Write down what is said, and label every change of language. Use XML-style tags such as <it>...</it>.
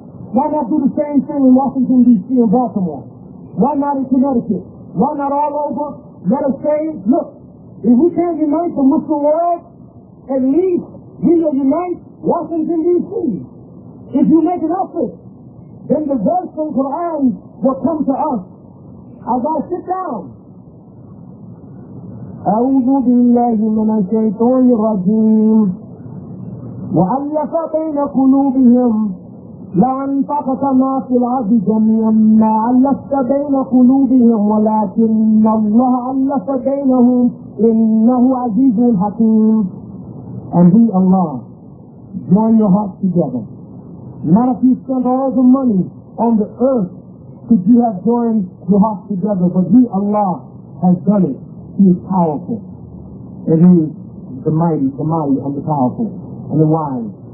<en>Why not do the same thing in Washington, D.C. and Baltimore? Why not in Connecticut? Why not all over? Let us say, look, if we can't unite the Muslim world, at least we will unite Washington, D.C. If you make an effort, then the verse from Quran will come to us. As I sit down,</en> <ar>أعوذ بالله من الشيطان الرجيم وألف بين قلوبهم لأنفقت ما في الأرض جميعا ما ألفت بين قلوبهم ولكن الله ألف بينهم إنه عزيز حكيم.</ar> <en>And he, Allah, join your hearts together. Not if you spend all the money on the earth could you have joined your hearts together, but he, Allah, has done it. He is powerful. And he is the mighty, and the powerful, and the wise.</en>